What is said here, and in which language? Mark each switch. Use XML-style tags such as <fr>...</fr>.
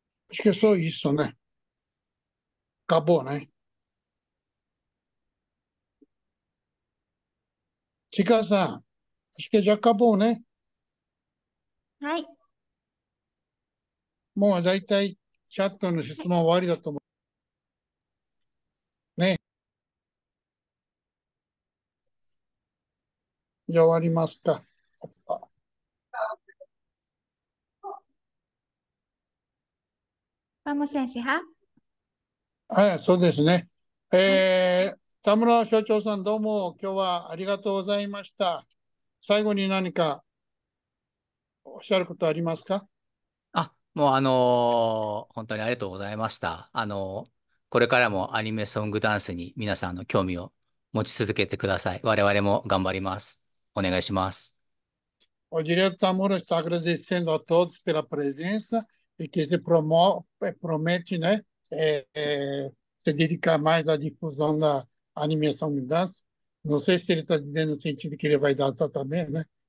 <pt>Acho que é só isso, né? Acabou, né? Chica-san, acho que já acabou, né?</pt> <ja>はい。もうだいたいチャットの質問終わりだと思う。じゃあ終わりますか。</ja> <pt>vamos encerrar?</pt> <ja>はい、そうですね。田村所長さん、どうも今日はありがとうございました。最後に何かおっしゃることありますか？もう本当にありがとうございました。これからもアニメソングダンスに皆さんの興味を持ち続けてください。我々も頑張ります。お願いします。</ja> <pt>O diretor Tamura está agradecendo a todos pela presença e que se promete, né? Se dedicar mais à difusão da animação de dança. Não sei se ele está dizendo no sentido que ele vai dançar também, né?</pt>